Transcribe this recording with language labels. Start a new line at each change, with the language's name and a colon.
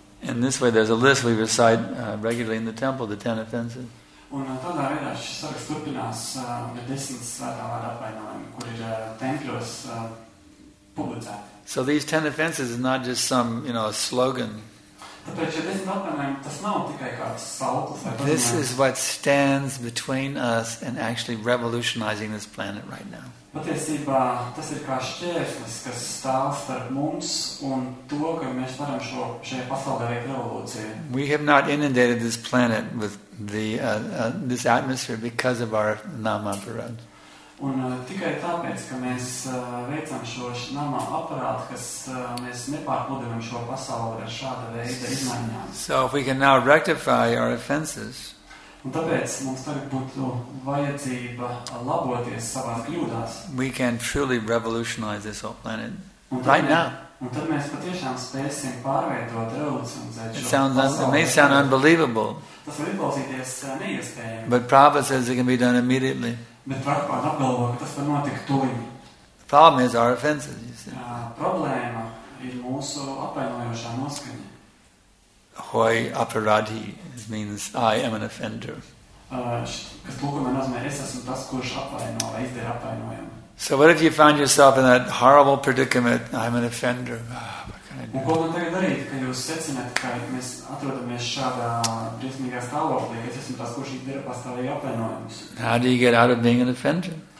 English: In this way, there's a list we recite regularly in the temple, the 10 offenses.
Latvian: Un tādā veidā šis saraksts turpinās ar 10 svētā vārda apvainojumu, kur ir tempļos publicēti.
English: So these 10 offenses is not just some, you know, a slogan.
Latvian: Tāpēc šie 10 apvainojumi, tas nav tikai kāds sauklis.
English: This is what stands between us and actually revolutionizing this planet right now.
Latvian: Patiesībā tas ir kā šķērslis, kas stāv starp mums un to, ka mēs varam šo šajā pasaulē veikt revolūciju.
English: We have not inundated this planet with this atmosphere because of our nama aparat.
Latvian: Un tikai tāpēc, ka mēs veicam šo nama aparātu, kas mēs nepārpludinam šo pasauli ar šāda veida izmaiņām.
English: So if we can now rectify our offenses.
Latvian: Un tāpēc mums tagad būtu vajadzība laboties savās kļūdās.
English: We can truly revolutionize this whole planet right now.
Latvian: Un tad mēs patiešām spēsim pārveidot revolūciju.
English: It may sound unbelievable.
Latvian: Tas var izklausīties neiespējami.
English: But Prabhupada says it can be done immediately.
Latvian: Bet Prabhupada apgalvo, ka tas var notikt tuliņi.
English: The problem is our offenses, you see.
Latvian: Problēma ir mūsu apvainojošā noskaņa.
English: Hoi aparadhi means I am an offender.
Latvian: Kas tulkumā nozīmē, es esmu tas, kurš apvaino vai izdara apvainojumu.
English: So what if you found yourself in that horrible predicament, I'm an offender, what can I do? How do you get out of being an offender?